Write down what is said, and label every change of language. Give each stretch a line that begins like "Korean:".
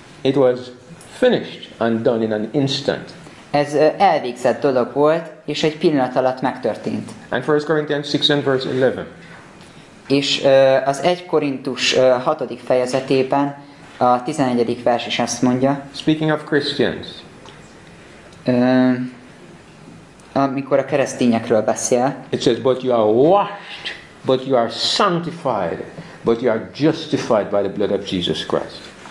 English: It was finished and done in an instant.
Hungarian: Ez elvégzett dolog volt, és egy pillanat alatt megtörtént.
English: And 1 Corinthians 6 and verse 11.
Hungarian: És az 1 Korintus 6. fejezetében a 11. vers is ezt mondja.
English: Speaking of Christians.
Hungarian: Amikor a keresztényekről beszél.
English: It says, but you are washed, but you are sanctified, but you are justified by the blood of Jesus Christ.